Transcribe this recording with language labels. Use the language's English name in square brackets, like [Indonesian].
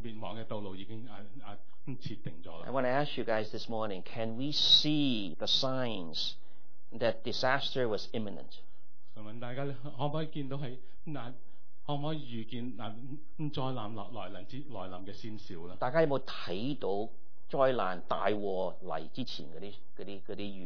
[Chinese] 向着这个灭亡的道路已经设定了。 [English] I want to ask you guys this morning, can we see the signs that disaster was imminent? [Chinese] 请问大家可不可以见到可不可以预见灾难来临的先兆呢？大家有没有看到灾难大祸来之前那些预兆？